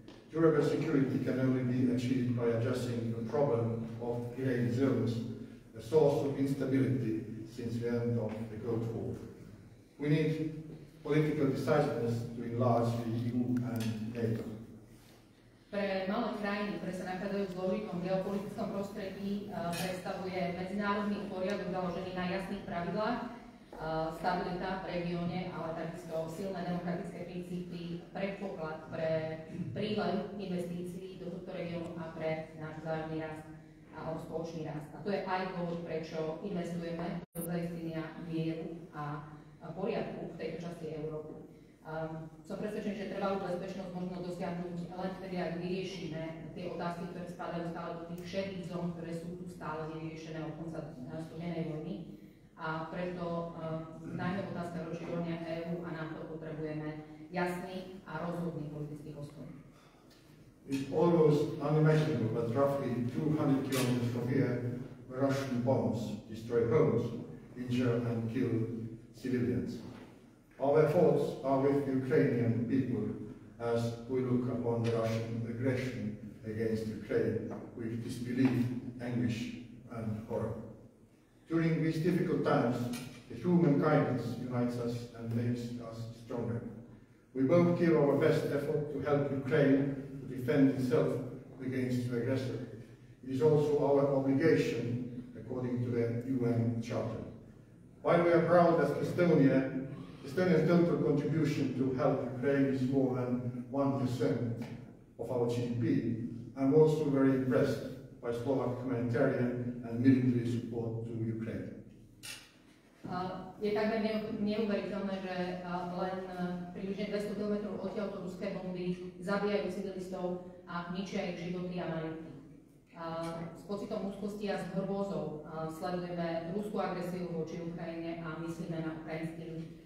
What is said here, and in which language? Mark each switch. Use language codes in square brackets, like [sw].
[en] Durable security can only be achieved by addressing the problem of grey zones, a source of instability since the end of the Cold War. We need political decisiveness to enlarge the EU and NATO. [sk] Pre malé krajiny, ktoré sa nachádzajú v zložitom geopolitickom prostredí, predstavuje medzinárodný poriadok založený na jasných pravidlách, stabilita v regióne, ale takisto silné demokratické princípy, predpoklad pre prílev investícií do tohto regiónu a pre náš vzájomný rast a spoločný rast. A to je aj dôvod, prečo investujeme do zaistenia mieru a poriadku v tejto časti Európy. Som presvedčený, že trvalú bezpečnosť možno dosiahnuť len vtedy, ak vyriešime tie otázky, ktoré spadajú stále do tých všetkých zón, ktoré sú tu stále nevyriešené od konca studenej vojny. A preto najmä otázka rozširovania EÚ a nám to potrebujeme jasný a rozhodný politický postoj. [en] It's almost unimaginable, but roughly 200 kilometers from here, Russian bombs destroy homes, injure and kill civilians. Our efforts are with Ukrainian people as we look upon the Russian aggression against Ukraine with disbelief, anguish and horror. During these difficult times, the human kindness unites us and makes us stronger. We both give our best effort to help Ukraine to defend itself against the aggressor. It is also our obligation according to the UN Charter. While we are proud as Estonia, Estonia's total contribution to help Ukraine is more than 1% of our GDP. I'm also very impressed by Slovak humanitarian and military support to Ukraine. [sk] Je takmer neuveriteľné, že len približne 200 km odtiaľto ruské bomby zabíjajú civilistov a ničia ich životy a majetky. S pocitom úzkosti a s hrôzou sledujeme ruskú agresiu voči Ukrajine a myslíme na ukrajinský ľud.